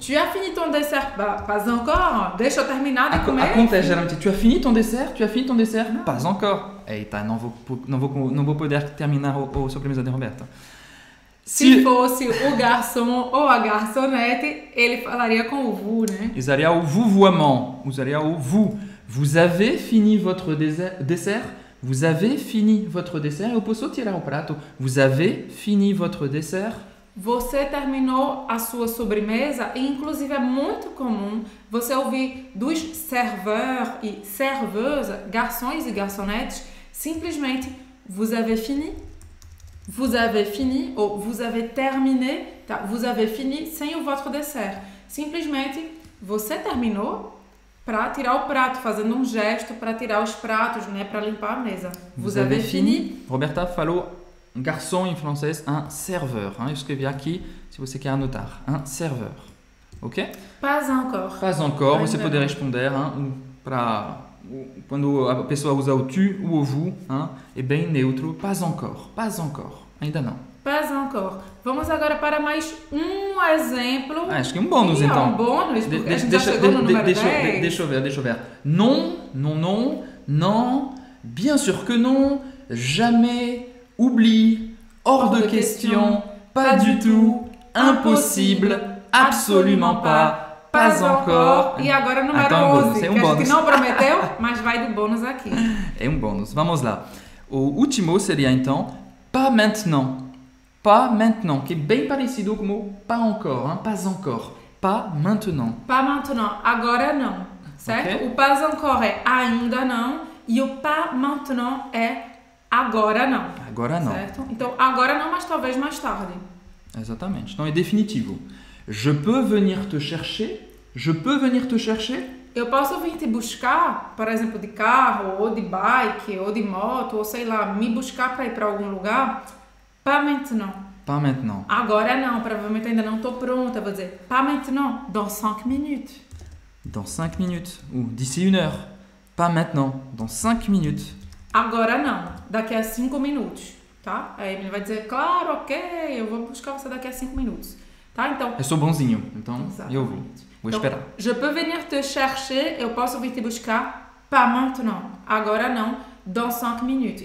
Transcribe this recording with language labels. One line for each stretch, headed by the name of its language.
French: Tu as fini ton dessert, pas encore?
Portuguese: Deixa eu terminar de comer. Acontece, geralmente,
French: tu as fini ton dessert? Tu as fini ton dessert?
Portuguese: Não.
French: Pas encore!
Portuguese: Eita, não vou poder terminar o sobremesa de Roberta. Se fosse o garçom ou a garçonete, ele falaria com o vous, né? Usaria o vouvoiement. Usaria o vous.
French: Vous avez fini votre dessert? Vous avez fini votre dessert?
Portuguese: Eu posso tirar o prato.
French: Vous avez fini votre dessert?
Portuguese: Você terminou a sua sobremesa? E, inclusive, é muito comum você ouvir dos serveurs e serveuses, garçons e garçonetes, simplesmente,
French: vous avez fini? Vous avez fini ou vous avez terminé, tá? Vous avez fini sem o votre dessert.
Portuguese: Simplesmente, você terminou para tirar o prato, fazendo um gesto para tirar os pratos, né, para limpar a mesa.
French: Vous avez fini.
Portuguese: Roberta falou garçon em francês, un serveur. Hein? Eu escrevi aqui, se você quer anotar, un serveur. Ok?
French: Pas encore.
Portuguese: Pas encore, você poderia responder, hein, para... quando a pessoa usa o tu ou o vous, hein, é bem neutro,
French: pas encore,
Portuguese: ainda não.
French: Pas encore.
Portuguese: Vamos agora para mais um exemplo. Ah, acho que um bônus, e, então. É um bônus, deixa, deixa eu ver, deixa eu ver.
French: Non, non, non, non, bien sûr que non, jamais, oublie, hors de question, pas du tout, impossible, absolument pas. Pas encore.
Portuguese: E agora o número 11, que a gente não prometeu, mas vai do bônus aqui. É um bônus. Vamos lá. O último seria, então, pas maintenant.
French: Pas maintenant,
Portuguese: que é bem parecido com o
French: pas encore. Hein? Pas encore. Pas maintenant. Pas maintenant.
Portuguese: Agora não. Certo? Okay. O pas encore é ainda não. E o pas maintenant é agora não. Agora não. Certo? Então, agora não, mas talvez mais tarde. Exatamente. Então, é definitivo.
French: Je peux venir te chercher? Je peux venir te chercher?
Portuguese: Eu posso vir te buscar, por exemplo, de carro, ou de bike, ou de moto, ou sei lá, me buscar para ir para algum lugar?
French: Pas maintenant. Pas maintenant.
Portuguese: Agora não, provavelmente ainda não estou pronta. Vou dizer,
French: pas maintenant, dans 5 minutes. Dans 5 minutes, ou d'ici une heure. Pas maintenant, dans 5 minutes.
Portuguese: Agora não, daqui a 5 minutos, tá? Aí ele vai dizer, claro, ok, eu vou buscar você daqui a 5 minutos. Tá, então. Eu sou bonzinho, então. Exatamente. Eu vou esperar.
French: Je peux venir te chercher,
Portuguese: eu posso vir te buscar,
French: pas maintenant,
Portuguese: agora não,
French: dans 5 minutes.